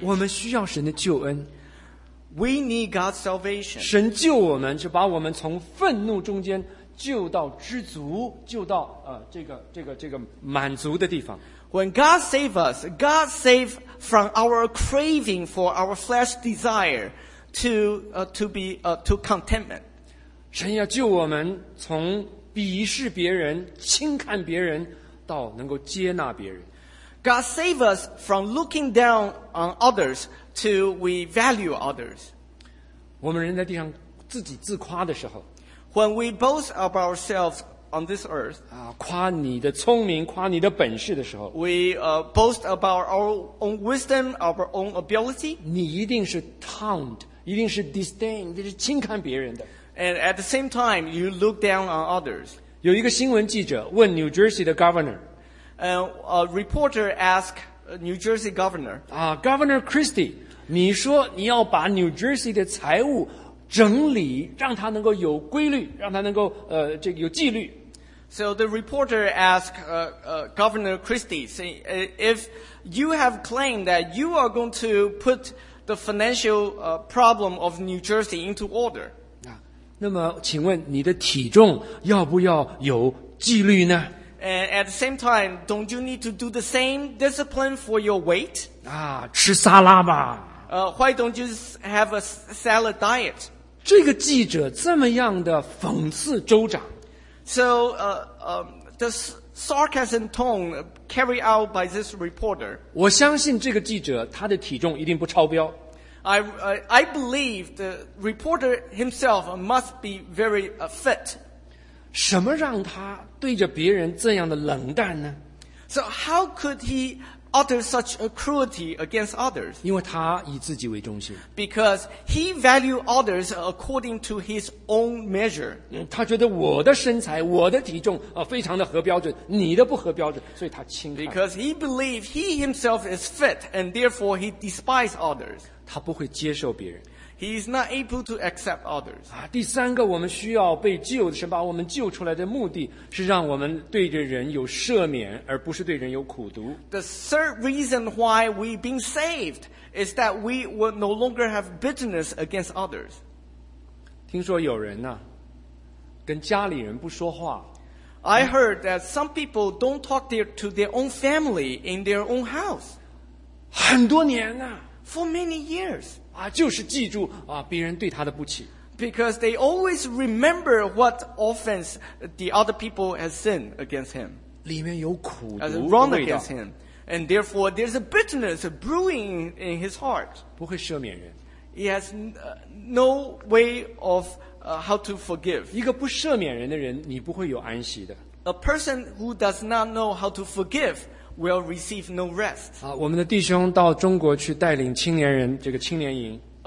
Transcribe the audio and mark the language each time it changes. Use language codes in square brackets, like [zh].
[zh] 我们需要神的救恩。 [en] We need God's salvation. [zh] 神救我们，就把我们从愤怒中间救到知足，救到这个满足的地方。 [en] When God save us, God save from our craving for our flesh desire to contentment. [zh] 神要救我们从鄙视别人、轻看别人，到能够接纳别人。 [en] God save us from looking down on others to we value others. [zh] 我们人在地上自己自夸的时候， [en] When we boast of ourselves. On this earth, [zh] 啊，夸你的聪明，夸你的本事的时候 [en] ，we boast about our own wisdom, our own ability. [zh] 你一定是 taunt, 一定是 disdain, 这是轻看别人的。 [en] And at the same time, you look down on others. [zh] 有一个新闻记者问 New Jersey 的 governor, [en] and a reporter asked New Jersey governor, [zh] 啊 ，Governor Christie, 你说你要把 New Jersey 的财务整理，让他能够有规律，让他能够这个有纪律。 [en] So the reporter asked Governor Christie, say, if you have claimed that you are going to put the financial problem of New Jersey into order, [zh] 啊，那么请问你的体重要不要有纪律呢？ [en] And at the same time, don't you need to do the same discipline for your weight? [zh] 啊，吃沙拉吧。 [en] Why don't you have a salad diet? [zh] 这个记者这么样的讽刺州长。 [en] So, the sarcasm tone carried out by this reporter. [zh] 我相信这个记者他的体重一定不超标。 [en] I believe the reporter himself must be very fit. [zh] 什么让他对着别人这样的冷淡呢？ [en] So how could he utter such a cruelty against others? [zh] 因为他以自己为中心。 [en] Because he values others according to his own measure. [zh] 他觉得我的身材我的体重非常的合标准，你的不合标准，所以他轻看。 [en] Because he believes he himself is fit and therefore he despises others. [zh] 他不会接受别人。 [en] He is not able to accept others. [zh] 第三个，我们需要被救的是把我们救出来的目的是让我们对着人有赦免，而不是对人有苦读。 [en] The third reason why we've been saved is that we will no longer have bitterness against others. [zh] 听说有人呢，跟家里人不说话。 [en] I heard that some people don't talk to their own family in their own house. [zh] 很多年呢。 [en] For many years. [zh] 就是记住别人对他的不起。 [en] Because they always remember what offense the other people has sinned against him. [zh] 里面有苦毒的味道。 [en] Wrong against him. And therefore, there's a bitterness brewing in his heart. [zh] 不会赦免人。 [en] He has no way of how to forgive. [zh] 一个不赦免人的人，你不会有安息的。 [en] A person who does not know how to forgive,will receive no rest. [zh] 我们的弟兄到中国去带领青年人这个青年营。